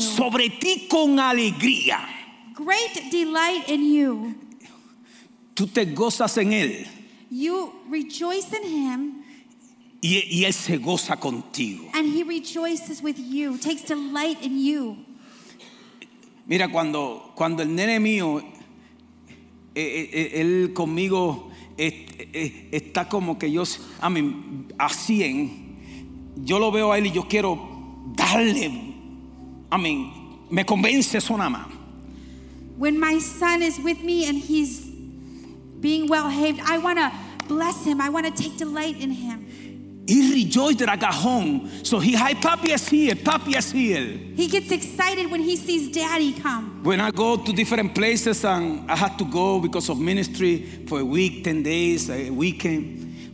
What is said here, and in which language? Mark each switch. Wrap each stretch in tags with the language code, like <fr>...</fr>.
<es>Sobre ti con alegría.</es> <en>Great delight in you.</en> <es>Tú te gozas en él.</es> <en>You rejoice in him.</en> <es>Y él se goza contigo.</es> <en>And he rejoices with you, takes delight in you.</en> <es>Mira, cuando el nene mío, él conmigo está como que yo, a mí, así en, yo lo veo a él y yo quiero darle, a mí, me convence eso nada más.</es> <en>When my son is with me and he's being well-behaved, I want to bless him, I want to take delight in him. He rejoices at home. So he, hi, papi is here. Papi is here. He gets excited when he sees daddy come. When I go to different places and I have to go because of ministry for a week, 10 days, a weekend.</en>